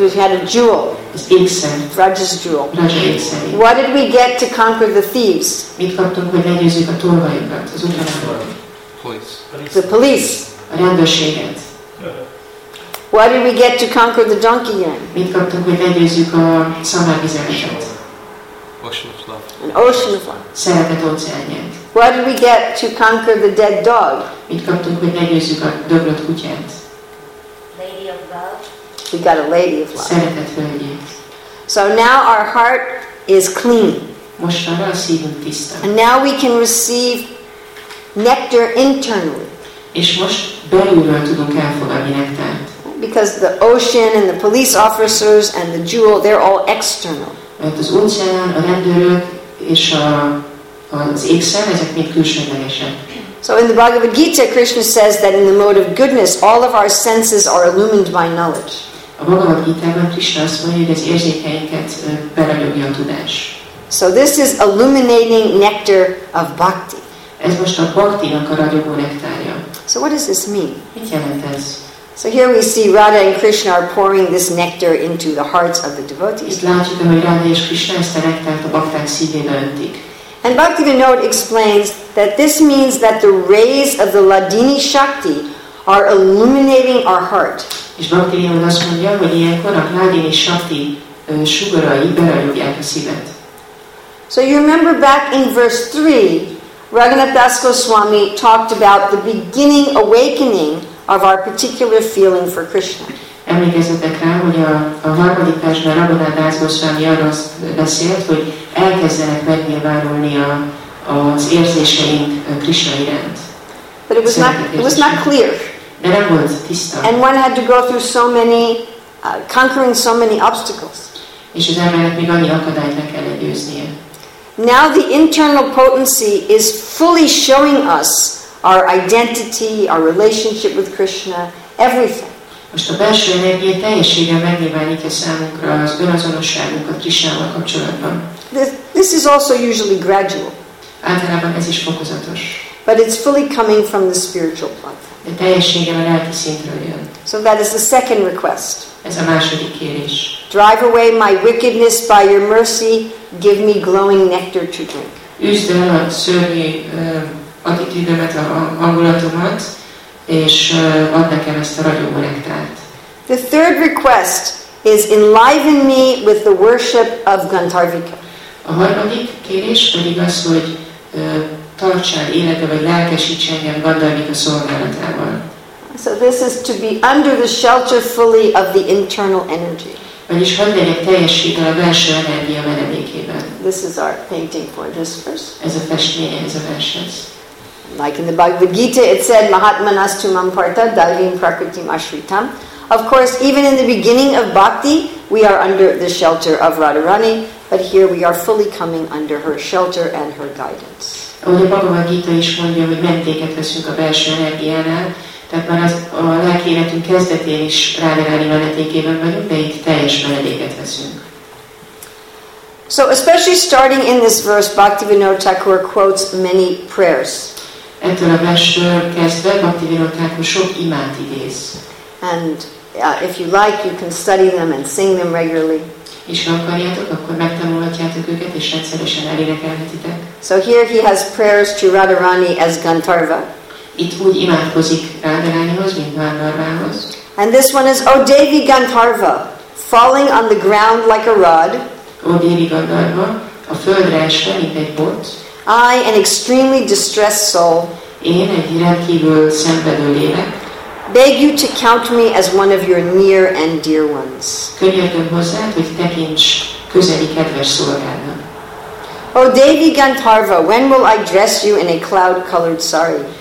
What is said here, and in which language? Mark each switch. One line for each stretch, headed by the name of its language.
English: we had a jewel. Raja's jewel. What did we get to conquer the thieves? The police. What did we get to conquer the donkey yen?
Hungarian: Mit kaptunk, hogy legyőzzük a szamárvizeket?
English: Ocean of love. An ocean of love.
Hungarian: Szeretet óceánját.
English: What did we get to conquer the dead dog?
Hungarian: Mit kaptunk, hogy legyőzzük a döglött kutyát?
English: Lady of love. We got a lady of love.
Hungarian: Szeretet hölgyét.
English: So now our heart is clean.
Hungarian: Most már a szívünk tiszta.
English: And now we can receive nectar internally.
Hungarian: És most belülről tudunk elfogadni nektárt.
English: Because the ocean and the police officers and the jewel, they're all external.
Hungarian: Mert az óceán, a rendőrök és az égszer, ezek mind külsődlegesek.
English: So in the Bhagavad Gita, Krishna says that in the mode of goodness, all of our senses are illumined by knowledge.
Hungarian: A Bhagavad Gita-ban Krishna azt mondja, hogy az érzékeinket beragyogja a tudás.
English: So this is illuminating nectar of bhakti.
Hungarian: Ez most a bhakti-nak a ragyogó nektárja.
English: So what does this mean?
Hungarian: Mit jelent ez?
English: So here we see Radha and Krishna are pouring this nectar into the hearts of the devotees.
Hungarian: Látjuk, hogy Radha és Krishna ezt a nektárt a bakták szívébe öntik.
English: And Bhaktivinoda explains that this means that the rays of the Ladini Shakti are illuminating our heart.
Hungarian: És Bhaktivinoda azt mondja, hogy ilyenkor a Ladini Shakti sugarai beragyogják a szívet.
English: So you remember back in verse 3, Raghunath Das Goswami talked about the beginning awakening of our particular feeling for Krishna.
Hungarian: Emlékezzetek rá, hogy a harmadik versben Raghunath Das Goswami arról beszélt, hogy elkezdenek megnyilvánulni az érzéseink Krishna iránt.
English: But it was not clear.
Hungarian: De nem volt tiszta.
English: And one had to go through so many, conquering so many obstacles.
Hungarian: És az embernek még annyi akadályt le kellett győznie.
English: Now the internal potency is fully showing us our identity, our relationship with Krishna, everything.
Hungarian: Most a belső energia teljesége megnyilvánítja számunkra az önazonosságunkat Krishnával kapcsolatban.
English: This is also usually gradual.
Hungarian: Általában ez is fokozatos.
English: But it's fully coming from the spiritual platform.
Hungarian: De teljesége a lelki szintről jön.
English: So that is the second request.
Hungarian: Ez a második kérés.
English: Drive away my wickedness by your mercy. Give me glowing nectar to drink.
Hungarian: Üzd el a szörnyű attitűdömet, a hangulatomat, és add nekem ezt a ragyogó nektárt.
English: The third request is enliven me with the worship of Gandharvika.
Hungarian: A harmadik kérés pedig az, hogy tartsál életbe, vagy lelkesíts engem Gandharvika szolgálatával.
English: So this is to be under the shelter fully of the internal energy.
Hungarian: Vagyis hadd legyek teljesítve a belső energia menedékében.
English: This is our painting for this verse.
Hungarian: Ez a festmény, ez a verses.
English: Like in the Bhagavad Gita, it said,
Sanskrit: Mahatmanastu mam partha dalvim prakritim ashritam.
English: Of course, even in the beginning of bhakti, we are under the shelter of Radharani, but here we are fully coming under her shelter and her guidance.
Hungarian: Ugye a Bhagavad Gita is mondja, hogy mentéket veszünk a belső energiánál, tehát már az a lelki életünk kezdetén is Radharani menedékében vagyunk, de itt teljes menedéket veszünk.
English: So especially starting in this verse, Bhaktivinoda Thakur quotes many prayers.
Hungarian: Ettől a versről kezdve Bhaktivinoda Thakur sok imát idéz.
English: And if you like, you can study them and sing them regularly.
Hungarian: És ha akarjátok, akkor megtanulhatjátok őket, és egyszeresen elénekelhetitek.
English: So here he has prayers to Radharani as Gandharva.
Hungarian: Itt úgy imádkozik Radharanihoz, mint Gandharvához.
English: And this one is, O Devi Gandharva, falling on the ground like a rod.
Hungarian: O Devi Gandharva, a földre esve, mint egy bot.
English: I, an extremely distressed soul.
Hungarian: Én egy rendkívül szenvedő lélek.
English: Beg you to count me as one of your near and dear ones.
Hungarian: Könyörgöm hozzád, hogy tekints közeli kedves szolgádnak.
English: O Devi Gandharva, when will I dress you in a cloud-colored sari?